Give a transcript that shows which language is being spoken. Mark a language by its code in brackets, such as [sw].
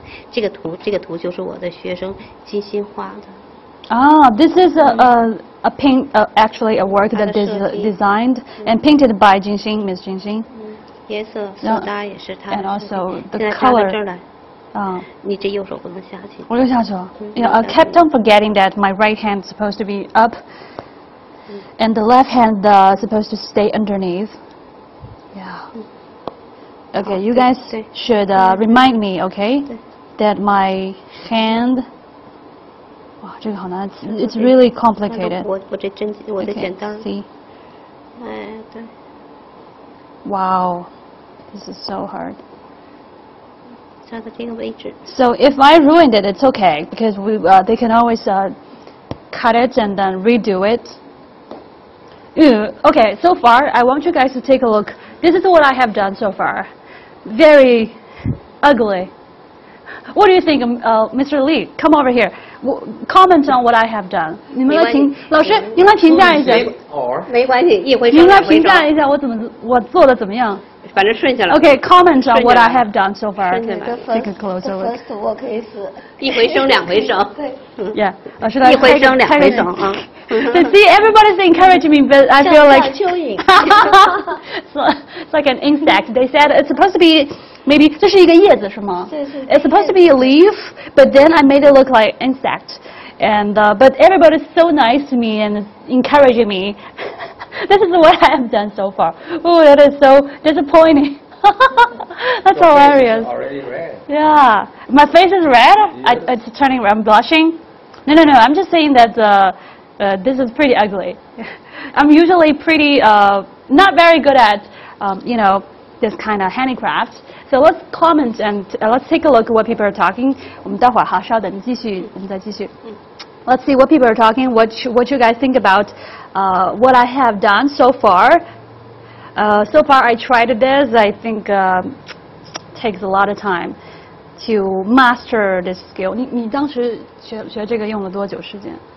[zh] 这个图就是我的学生精心画的。 [en] This is a paint, actually a work that is designed and painted by Jingxin, Ms. Jingxin. [zh] 颜色复杂也是他。 [en] And also the color. [zh] 你这右手不能下去。我又下去了。 [en] Yeah, I kept on forgetting that my right hand is supposed to be up, and the left hand is supposed to stay underneath. Yeah. Okay, you guys should remind me, okay, that my hand. [zh] 哇，这个好难， [en] it's really complicated. [zh] 我这针，我的剪刀。 [en] Okay, see. Wow, this is so hard. So if I ruined it, it's okay, because they can always cut it and then redo it. Okay, so far, I want you guys to take a look. This is what I have done so far. Very ugly. What do you think, Mr. Lee? Come over here. Comment on what I have done. [zh] 你们来评，老师，您来评价一下。没关系，一回。您来评价一下我做的怎么样？反正顺下来。 [en] Okay, comment on what I have done so far. Take a closer look. [zh] 一回生，两回生。对。Yeah, 老师来。一回生，两回生啊。 [en] So see, everybody's encouraging me, but I feel like it's like an insect. They said it's supposed to be maybe [zh] 这是一个叶子是吗？是是。 [en] It's supposed to be a leaf, but then I made it look like insect. And but everybody's so nice to me and encouraging me. This is what I have done so far. Oh, that is so disappointing. That's hilarious. Is already red. Yeah, my face is red. Yes. It's turning red. I'm blushing. No. I'm just saying that. This is pretty ugly. I'm usually pretty, not very good at, you know, this kind of handicraft. So let's comment and let's take a look at what people are talking. [zh] 我们待会儿哈，稍等，继续，我们再继续。 [en] Let's see what people are talking. What you guys think about what I have done so far? So far, I tried this. I think takes a lot of time to master this skill. [zh] 你当时学这个用了多久时间？